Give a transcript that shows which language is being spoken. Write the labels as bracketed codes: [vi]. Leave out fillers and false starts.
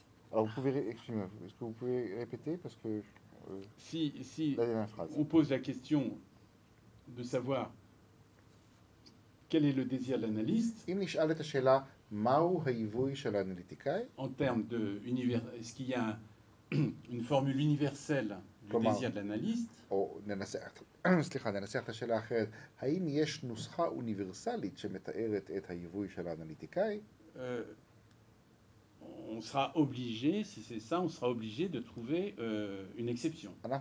[fr] Alors vous pouvez, excusez-moi, est-ce que vous pouvez répéter parce que si on pose la question de savoir quel est le désir de l'analyste, [he] אם נשאל את השאלה מהו היווי של האנליטיקאי, [fr] en termes de univers, est-ce qu'il y a une formule universelle du désir de l'analyste? [he] ננסח את השאלה אחרת, האם יש נוסחה אוניברסלית שמתארת את היווי של האנליטיקאי? [fr] On sera obligé, si c'est ça, on sera obligé de trouver une exception.